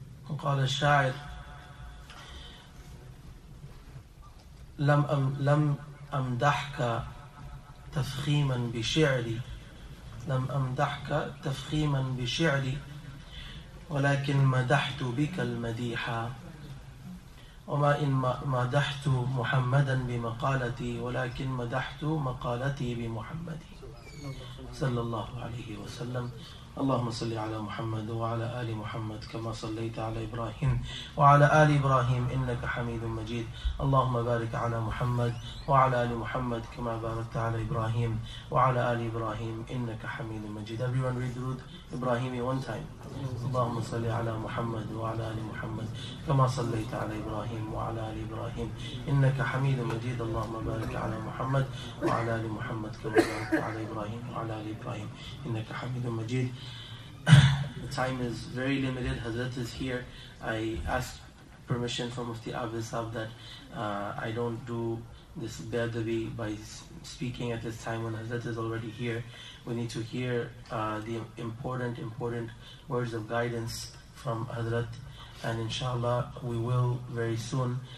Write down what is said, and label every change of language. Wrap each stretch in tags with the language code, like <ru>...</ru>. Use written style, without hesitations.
<ar>وقال الشاعر لم أمدحك تفخيما بشعري, لم أمدحك تفخيما بشعري, ولكن مدحت بك المديح, وما إن مدحت محمدا بمقالتي, ولكن مدحت مقالتي بمحمد صلى الله عليه وسلم. اللهم صل على محمد وعلى آل محمد كما صليت على إبراهيم وعلى آل إبراهيم إنك حميد مجيد. اللهم بارك على محمد وعلى آل محمد كما باركت على إبراهيم وعلى آل إبراهيم إنك حميد مجيد.</ar> <en>Everyone read درود إبراهيم one time.</en> <ar>اللهم صل على محمد وعلى آل محمد كما صليت على إبراهيم وعلى آل إبراهيم إنك حميد مجيد. اللهم بارك على محمد وعلى آل محمد كما باركت على إبراهيم وعلى آل إبراهيم إنك حميد مجيد.</ar> <en>The time is very limited. Hazrat is here. I asked permission from Mufti Abid Sahab that I don't do this Be'adabi by speaking at this time when Hazrat is already here. We need to hear the important words of guidance from Hazrat, and inshallah we will very soon.</en>